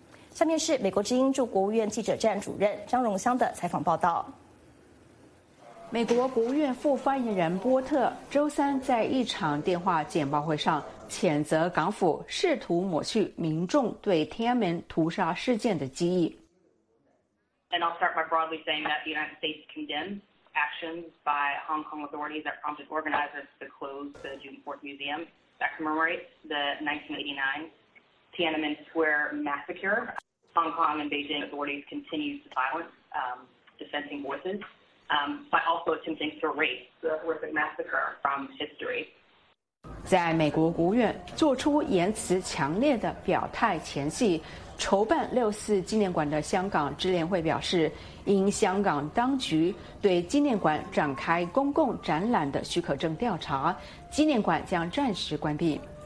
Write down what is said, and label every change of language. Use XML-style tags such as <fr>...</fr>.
<zh>下面是美国之音驻国务院记者站主任张荣香的采访报道。美国国务院副发言人波特周三在一场电话简报会上谴责港府试图抹去民众对天安门屠杀事件的记忆。</zh> <en>And I'll start by broadly saying that the United States condemns actions by Hong Kong authorities that prompted organizers to close the June 4th Museum that commemorates the 1989 Tiananmen Square massacre. Hong Kong and Beijing authorities continue to silence dissenting voices, but also attempting to erase the horrific massacre from history.</en> <zh>在美国国务院做出言辞强烈的表态前夕，筹办6.4纪念馆的香港支联会表示，因香港当局对纪念馆展开公共展览的许可证调查，纪念馆将暂时关闭。</zh>